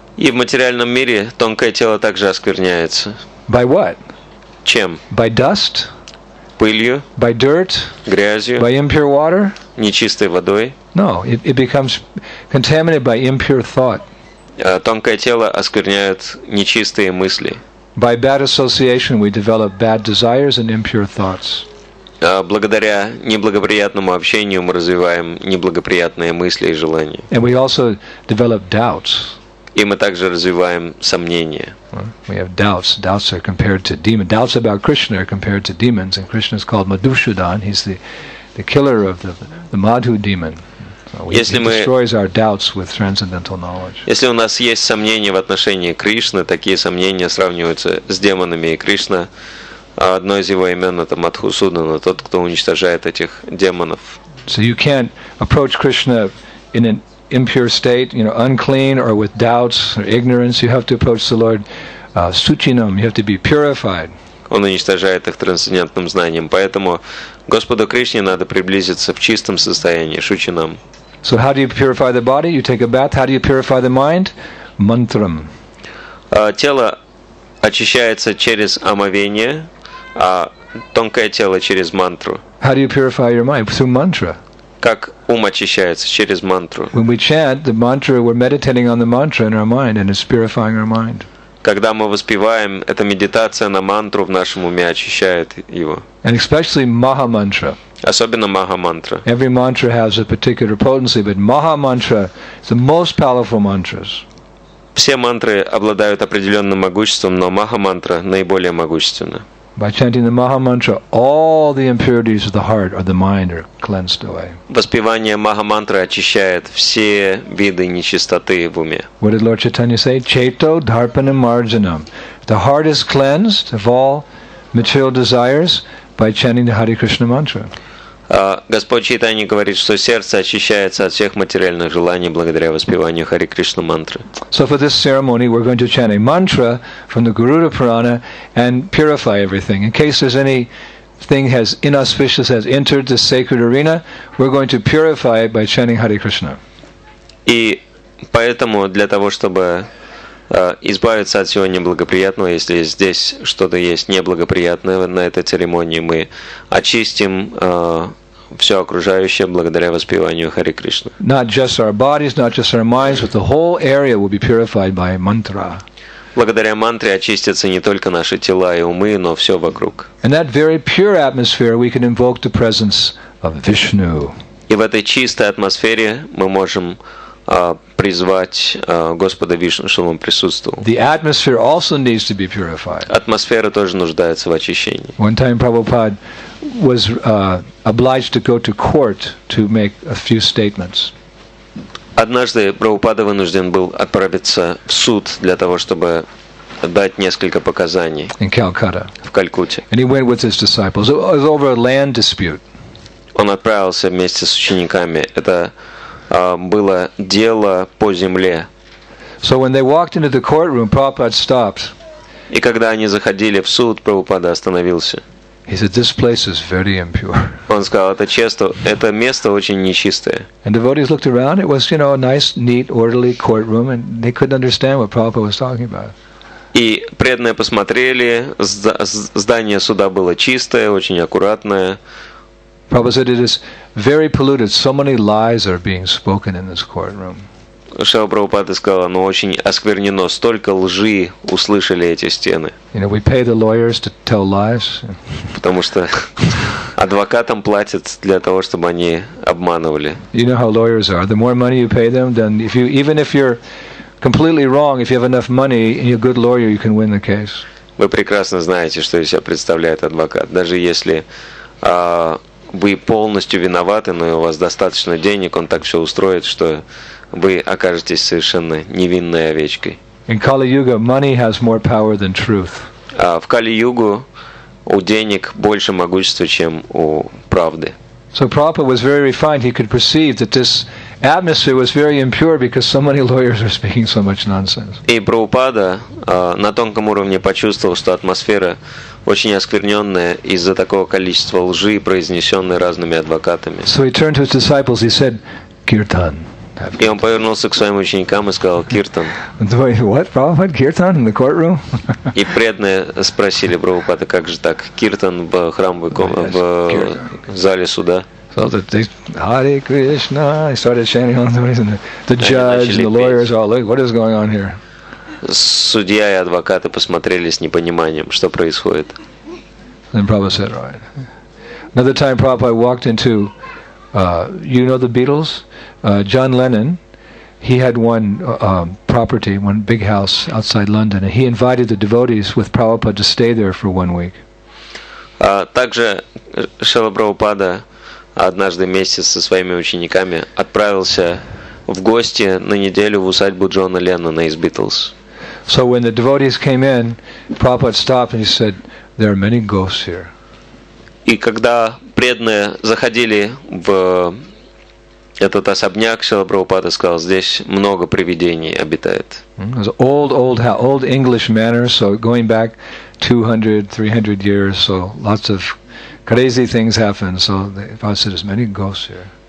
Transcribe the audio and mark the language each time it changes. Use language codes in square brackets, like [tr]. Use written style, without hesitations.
[ru] И в материальном мире тонкое тело также оскверняется. [en] By what? [ru] Чем? [en] By dust. [ru] Пылью. [en] By dirt. [ru] Грязью. [en] By impure water. [ru] Нечистой водой. [en] No, it becomes contaminated by impure thought. [ru] Тонкое тело оскверняют нечистые мысли. [en] By bad association, we develop bad desires and impure thoughts. [ru] Благодаря неблагоприятному общению мы развиваем неблагоприятные мысли и желания. [en] And we also develop doubts. [ru] И мы также развиваем сомнения. [en] We have doubts. Doubts are compared to demons. Doubts about Krishna are compared to demons, and Krishna is called Madhusudan. He's the killer of the Madhu demon. [ru] Если у нас есть сомнения в отношении Кришны, такие сомнения сравниваются с демонами, и Кришна, одно из его имен — это Мадхусудана, тот, кто уничтожает этих демонов. [en] So you can't approach Krishna in an impure state, you know, unclean or with doubts or ignorance. You have to approach the Lord suchinam. You have to be purified. [ru] Он уничтожает их трансцендентным знанием, поэтому Господу Кришне надо приблизиться в чистом состоянии, шучинам. [en] So how do you purify the body? You take a bath. How do you purify the mind? Mantram. [ru] Тело очищается через омовение, а тонкое тело через мантру. [en] How do you purify your mind? Through mantra. [ru] Как ум очищается через мантру. [en] When we chant the mantra, we're meditating on the mantra in our mind, and it's purifying our mind. [ru] Когда мы воспеваем, эта медитация на мантру в нашем уме очищает его. [en] And especially Mahamantra. [ru] Особенно Mahamantra. [en] Every mantra has a particular potency, but Mahamantra is the most powerful mantras. [ru] Все мантры обладают определенным могуществом, но Mahamantra наиболее могущественна. [en] By chanting the Mahamantra, all the impurities of the heart or the mind are cleansed away. [ru] Воспевание Mahamantra очищает все виды нечистоты в уме. [en] What did Lord Chaitanya say? [sa] Cheto, Dharpanam, Marjanam. [en] The heart is cleansed of all material desires by chanting the Hare Krishna mantra. [ru] Господь Чайтанья говорит, что сердце очищается от всех материальных желаний благодаря воспеванию Хари Кришна мантры. [en] So for this ceremony, we're going to chant a mantra from the Garuda Purana and purify everything. In case there's anything has inauspicious has entered the sacred arena, we're going to purify it by chanting Hare Krishna. [ru] И поэтому для того, чтобы избавиться от всего неблагоприятного, если здесь что-то есть неблагоприятное на этой церемонии, мы очистим все окружающее благодаря воспеванию Хари Кришны. [en] Not just our bodies, not just our minds, but the whole area will be purified by mantra. [ru] Благодаря мантре очистятся не только наши тела и умы, но все вокруг. [en] In that very pure atmosphere, we can invoke the presence of Vishnu. [ru] И в этой чистой атмосфере мы можем призвать Господа Вишну, чтобы Он присутствовал. [en] The atmosphere also needs to be purified. [ru] Атмосфера тоже нуждается в очищении. [en] One time Prabhupada was obliged to go to court to make a few statements. [ru] Однажды Прабхупада вынужден был отправиться в суд для того, чтобы дать несколько показаний. [en] In Calcutta. [ru] В Калькутте. [en] And he went with his disciples. It was over a land dispute. [ru] Он отправился вместе с учениками. Это было дело по земле. [en] So when they walked into the courtroom, Prabhupada stopped. [ru] И когда они заходили в суд, Прабхупада остановился. [en] He said, "This place is very impure." [ru] Он сказал, это место очень нечистое. [en] And devotees looked around. It was, you know, a nice, neat, orderly courtroom, and they couldn't understand what Prabhupada was talking about. [ru] И преданные посмотрели. Здание суда было чистое, очень аккуратное. [en] Prabhupada said, "It is very polluted. So many lies are being spoken in this courtroom." [ru] Шрила Прабхупада сказала, но очень осквернено, столько лжи услышали эти стены. [en] You know, we pay the lawyers to tell lies. [ru] Потому что адвокатам платят для того, чтобы они обманывали. [en] You know how lawyers are. The more money you pay them, then if you, even if you're completely wrong, if you have enough money and you're a good lawyer, you can win the case. [ru] Вы прекрасно знаете, что из себя представляет адвокат. Даже если вы полностью виноваты, но у вас достаточно денег, он так все устроит, что вы окажетесь совершенно невинной овечкой. [en] In Kali-yuga, money has more power than truth. [ru] В Кали-югу у денег больше могущества, чем у правды. [en] So Prabhupada was very refined. He could perceive that this atmosphere was very impure because so many lawyers are speaking so much nonsense. [ru] И Прабхупада на тонком уровне почувствовал, что атмосфера очень оскверненная из-за такого количества лжи, произнесенной разными адвокатами. [en] So he turned to his disciples. He said, "Kirtan." [ru] И он повернулся к своим ученикам и сказал: "Киртан." [en] What, Prabhupada, Kirtan in the courtroom? [ru] И преданные спросили Прабхупада: "Как же так, Киртан в храмовой комнате, в зале суда?" [en] So they, Hare Krishna, they started chanting on the judge and the lawyers all like, "What is going on here?" [ru] Судья и адвокаты посмотрели с непониманием, что происходит. [en] Then Prabhupada said, "Right." Another time, Prabhupada walked into you know the Beatles? John Lennon, he had one property, one big house outside London, and he invited the devotees with Prabhupada to stay there for 1 week. [ru] Также Шрила Прабхупада однажды вместе со своими учениками отправился в гости на неделю в усадьбу Джона Леннона из Beatles. [en] So when the devotees came in, Prabhupada stopped and he said, "There are many ghosts here." [ru] И когда преданные заходили в этот особняк, Шрила Прабхупада сказал, здесь много привидений обитает. [en] Old English manor, so going back 200-300 years, so lots of crazy things happen. So the prophet said, "There's many ghosts here."